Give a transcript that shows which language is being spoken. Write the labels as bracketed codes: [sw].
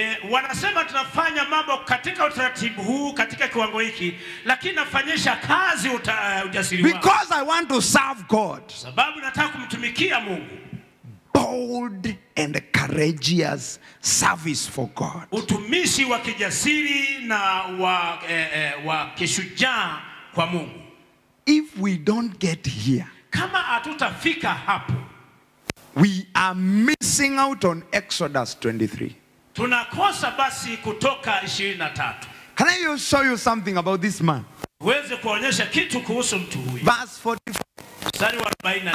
[sw] Wanasema tunafanya mambo katika utaratibu huu, katika kiwango hiki, lakini nafanyisha kazi ujasiri. [en] Because I want to serve God. [sw] Sababu nataka kumtumikia Mungu. [en] Bold and courageous service for God. [sw] Utumishi wa kijasiri na wa kishujaa kwa Mungu. [en] If we don't get here. [sw] Kama hatutafika hapo. [en] We are missing out on Exodus 23. [sw] Tunakosa basi kutoka 23. [en] Can I just show you something about this man? [sw] Uweze kuonyesha kitu kuhusu mtu huyu. [en] Verse 44.